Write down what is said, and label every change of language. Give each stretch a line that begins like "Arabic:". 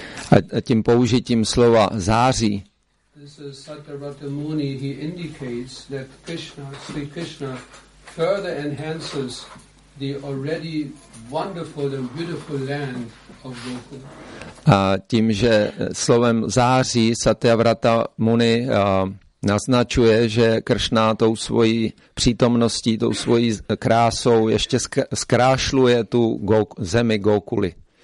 Czech: A tím použitím slova září.
English: This is Satyavrata Muni. He indicates that Krishna, Sri Krishna, further enhances the already wonderful and beautiful land of Gokula.
Czech: A tím, že slovem září Satyavrata Muni naznačuje, že Krishna tou svojí přítomností, tou svojí krásou ještě zkrášluje tu zemi Gokuly.